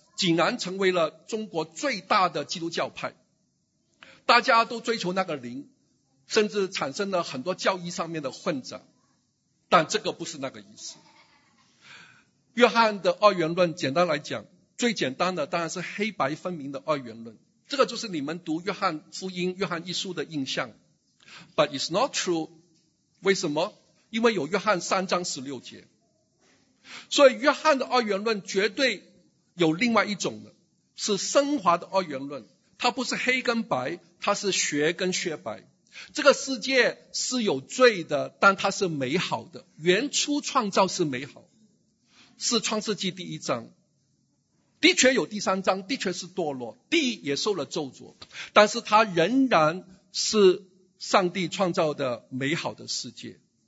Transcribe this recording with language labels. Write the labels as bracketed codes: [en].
[zh] 济南成为了中国最大的基督教派，大家都追求那个灵，甚至产生了很多教义上面的混杂，但这个不是那个意思。约翰的二元论，简单来讲，最简单的当然是黑白分明的二元论，这个就是你们读约翰福音、约翰一书的印象。 [en] But it's not true， [zh] 为什么？因为有约翰三章十六节，所以约翰的二元论绝对有另外一种的，是升华的二元论，它不是黑跟白，它是血跟血白。这个世界是有罪的，但它是美好的，原初创造是美好，是创世纪第一章，的确有第三章，的确是堕落，地也受了咒诅，但是它仍然是上帝创造的美好的世界。